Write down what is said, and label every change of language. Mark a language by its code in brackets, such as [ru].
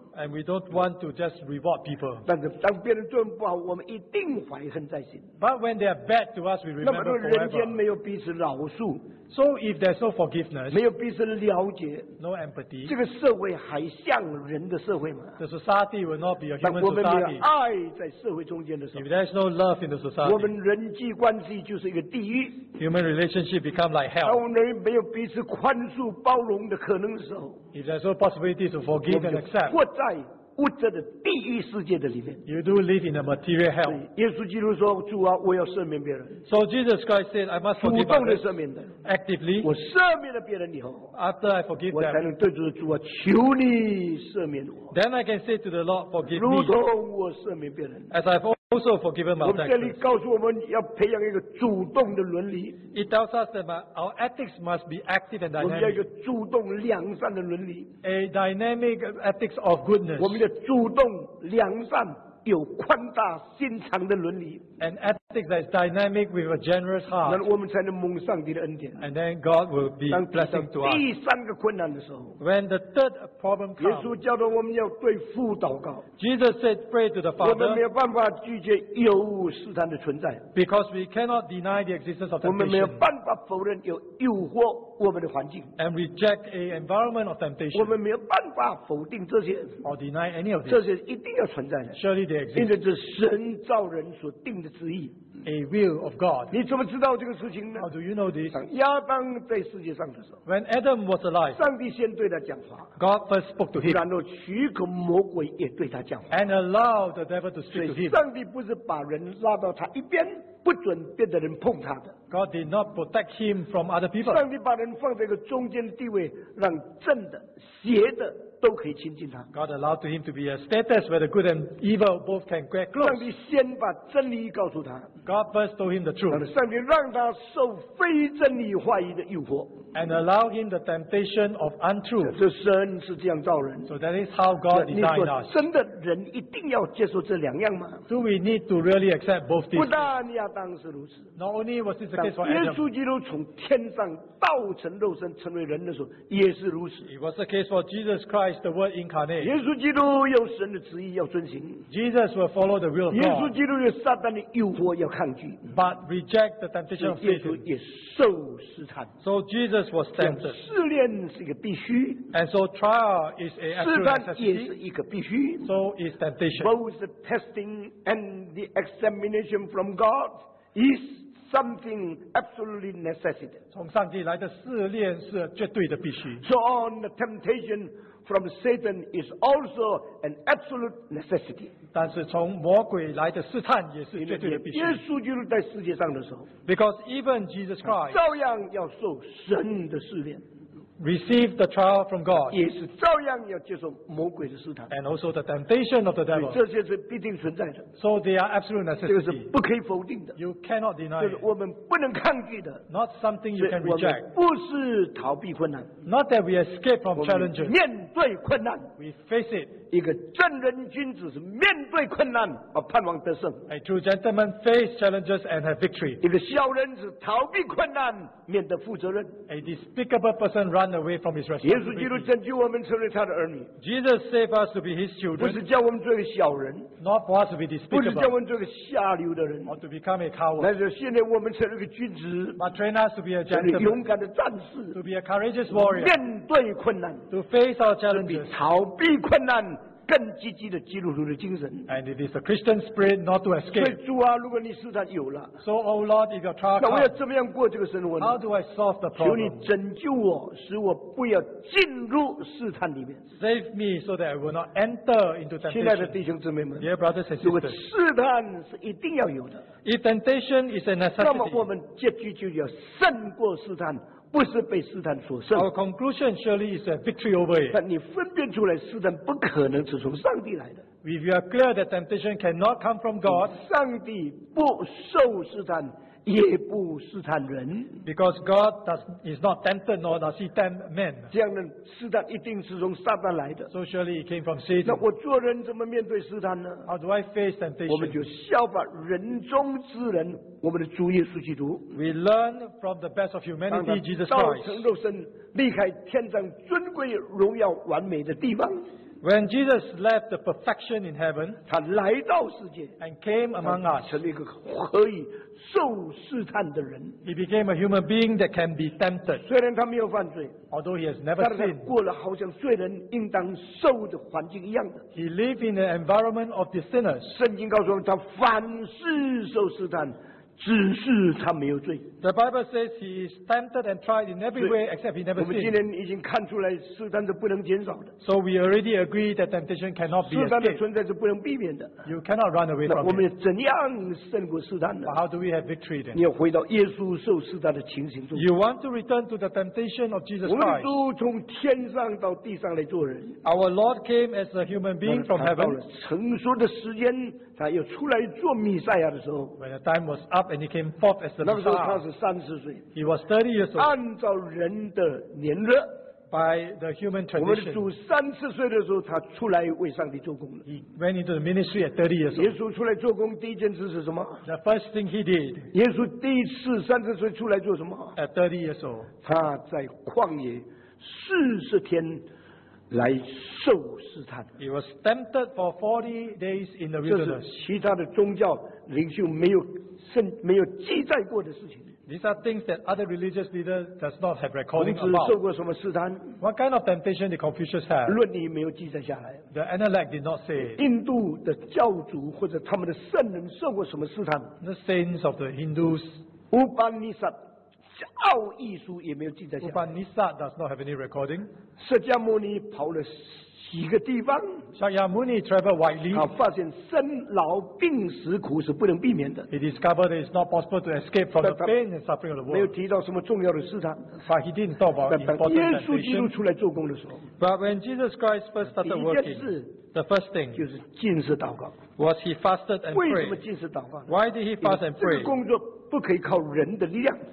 [en] and we don't want to just reward people. [zh] 但是当别人对我们不好, 我们一定怀恨在心, [en] but when they are bad to us, we remember forever. [zh] 那么人间没有彼此饶恕, [en] so if there's no forgiveness, [zh] 没有彼此了解, [en] no empathy, [zh] 这个社会还像人的社会吗? [en] The society will not be a human society. [zh] 但我们没有爱在社会中间的时候, [en] if there's no love in the society, [zh] 我们人际关系就是一个地狱, [en] human relationship become like hell. [zh] 当我们人没有彼此宽恕包容的可能的时候, [en] if there's no possibility to forgive and accept, [zh] 在物质的地狱世界的里面, [en] you do live in a material hell. [zh] 耶稣基督说, 主啊, 我要赦免别人, [en] so Jesus Christ said, I must forgive others actively. [zh] 我赦免了别人以后, [en] after I forgive them, [zh] 我才能对主说, 主啊, 求你赦免我, [en] then I can say to the Lord, forgive me, [zh] 如同我赦免别人, [en] as I've also forgiven my ethics. [zh] 我们这里告诉我们要培养一个主动的伦理, [en] it tells us that our ethics must be active and dynamic. [zh] 我们要一个主动良善的伦理, [en] a dynamic ethics of goodness. [zh] 我们的主动良善,有宽大心肠的伦理 [en] ，an ethic that's dynamic with a generous heart， [zh] 那我们才能蒙上帝的恩典。 [en] And then God will be blessing to us。 [zh] 第三个困难的时候 [en] ，when the third problem comes， [zh] 耶稣教导我们要对父祷告。 [en] Jesus said, "Pray to the Father." [zh] 我们没有办法拒绝诱惑试探的存在 [en] ，because we cannot deny the existence of temptation。 [zh] 我们没有办法否认有诱惑我们的环境 [en] ，and reject an environment of temptation。 [zh] 我们没有办法否定这些 [en] ，or deny any of these。 [zh] 这些一定要存在的。 [en] Surely they exist. [zh] 因为这是神造人所定的旨意。 [en] A will of God. [zh] 你怎么知道这个事情呢 [en] ？How do you know this? [zh] 亚当在世界上的时候 [en] ，When Adam was alive, [zh] 上帝先对他讲话。 [en] God first spoke to him. [zh] 然后许可魔鬼也对他讲话。 [en] And allowed the devil to speak to him. [zh] 上帝不是把人拉到他一边，不准别的人碰他的。 [en] God did not protect him from other people. [zh] 上帝把人放在一个中间的地位，让正的、邪的。都可以亲近他。 [en] God allowed to him to be a status where the good and evil both can get close. [zh] 上帝先把真理告诉他。 [en] God first told him the truth. [zh] 上帝让他受非真理话语的诱惑。 [en] And allow him the temptation of untruth. [zh] 这神是这样造人。 [en] So that is how God designed us. [zh] 你说真的人一定要接受这两样吗 [en] ？Do we need to really accept both these? [zh] 不但亚当是如此。 [en] Not only was this the case for Adam. [zh] 耶稣基督从天上道成肉身成为人的时候也是如此。 [en] It was the case for Jesus Christ. The word incarnate. [zh] 耶稣基督有神的旨意要遵行。 [en] Jesus will follow the will of God. [zh] 耶稣基督有撒旦的诱惑要抗拒。 [en] But reject the temptation of Satan. [zh] 耶稣也受试探。 [en] So Jesus was tempted. [zh] 试炼是一个必须。 [en] And so trial is a absolute necessity. [zh] 试探也是一个必须。 [en] So is temptation. Both the testing and the examination from God is. Something absolutely necessary. [zh] 从上帝来的试炼是绝对的必须。 [en] So on the temptation from Satan is also an absolute necessity. [zh] 但是从魔鬼来的试探也是绝对的必须。耶稣基督在世界上的时候 [en] ，Because even Jesus Christ [zh] 照样要受神的试炼。 [en] Receive the trial from God. [zh] 也是照样要接受魔鬼的试探。 [en] And also the temptation of the devil. [zh] 这些是必定存在的。 [en] So they are absolute necessity. [zh] 这个是不可以否定的。 [en] You cannot deny it. [zh] 这是我们不能抗拒的。 [en] Not something you can reject. [zh] 我们不是逃避困难。 [en] Not that we escape from challenges. [zh] 面对困难。 [en] We face it. [zh] 一个正人君子是面对困难而盼望得胜。 [en] A true gentleman face challenges and have victory. [zh] 一个小人是逃避困难，免得负责任。 [en] A despicable person runs. Away from his responsibility. [zh] 耶稣基督拯救我们成为他的儿女。 [en] Jesus saved us to be his children. [zh] 不是叫我们做个小人。 [en] Not for us to be despicable. [zh] 不是叫我们做个下流的人。 [en] Or to become a coward. [zh] 乃是训练我们成为一个君子。 [en] But train us to be a gentleman. [zh] 成为勇敢的战士。 [en] To be a courageous warrior. [zh] 面对困难。 [en] To face our challenges. [zh] 是比逃避困难更积极的基督徒的精神。 [en] And it is the Christian spirit not to escape. [zh] 主啊，如果你试探有了 [en] ，So, O Lord, if your trial comes, [zh] 那我要怎么样过这个生活呢 [en] ？How do I solve the problem? [zh] 求你拯救我，使我不要进入试探里面。 [en] Save me so that I will not enter into temptation. [zh] 亲爱的弟兄姊妹们 [en] ，Dear brothers and sisters, [zh] 如果试探是一定要有的 [en] ，If temptation is a necessity, [zh] 那么我们结局就要胜过试探。不是被试探所胜。 [en] Our conclusion surely is a victory over it. [zh] 但你分辨出来，试探不可能是从上帝来的。 [en] If you are clear that temptation cannot come from God, [zh] 上帝不受试探，也不试探人。 [en] Because God is not tempted nor does he tempt men. [zh] 这样的试探一定是从撒旦来的。 [en] So surely it came from Satan. [zh] 那我做人怎么面对试探呢 [en] ？How do I face temptation? [zh] 我们就效法人中之人。我们的主耶稣基督 [en] ，We learn from the best of humanity, Jesus Christ. [zh] 道成肉身，离开天上尊贵、荣耀、完美的地方。 [en] When Jesus left the perfection in heaven, [zh] 他来到世界 [en] ，and came among us, [zh] 成了一个可以受试探的人。 [en] He became a human being that can be tempted. [zh] 虽然他没有犯罪 [en] ，although he has never sinned, [zh] 但是他过了好像罪人应当受的环境一样的。 [en] He lived in the environment of the sinners. [zh] 圣经告诉我们，他凡事受试探。只是他没有罪。 [en] The Bible says he is tempted and tried in every way except he never sinned. [zh] 我们今天已经看出来试探是不能减少的。 [en] So we already agree that temptation cannot be escaped. [zh] 试探的存在是不能避免的。 [en] You cannot run away from it. [zh] 我们怎样胜过试探呢 [en] ？But how do we have victory then? [zh] 你要回到耶稣受试探的情形中。 [en] You want to return to the temptation of Jesus Christ. [zh] 我们主从天上到地上来做人。 [en] Our Lord came as a human being from heaven. [zh] 到了成熟的时间。他又出来做弥赛亚的时候 [en] ，When the time was up and he came forth as the Messiah， [zh] 那个时候他是30岁 [en] ，He was 30 years old。 [zh] 按照人的年日 [en] By the human tradition. [zh] 我们的主三十岁的时候，他出来为上帝做工了。 [en] He went into the ministry at 30 years old. [zh] 耶稣出来做工第一件事是什么？ [en] The first thing he did. [zh] 耶稣第一次三十岁出来做什么？ [en] At 30 years old. [zh] 他在旷野40天。来受试探。 [en] He was tempted for 40 days in the wilderness. [zh] 这是其他的宗教领袖没有记载过的事情。 [en] These are things that other religious leaders does not have recording about. [zh] 孔子受过什么试探？ [en] What kind of temptation did Confucius have? [zh] 论语没有记载下来。 [en] The Analect did not say. [zh] 印度的教主或者他们的圣人受过什么试探？ [en] The saints of the Hindus. [zh] 乌班尼撒。奥义书也没有记载下来。 [en] Upanishad does not have any recording. [zh] 释迦牟尼跑了几个地方。 [en] Shakyamuni traveled widely. [zh] 他发现生老病死苦是不能避免的。 [en] He discovered that it's not possible to escape from the pain and suffering of the world. [zh] 没有提到什么重要的试探。 [en] But he didn't talk about important temptation. [zh] 耶稣基督出来做工的时候。 [en] But when Jesus Christ first started working, the first thing [zh] 就是禁食祷告。 [en] Was he fasted and prayed? [zh] 为什么禁食祷告？ [en] Why did he fast and pray? [zh] 这个工作 不可以靠人的力量。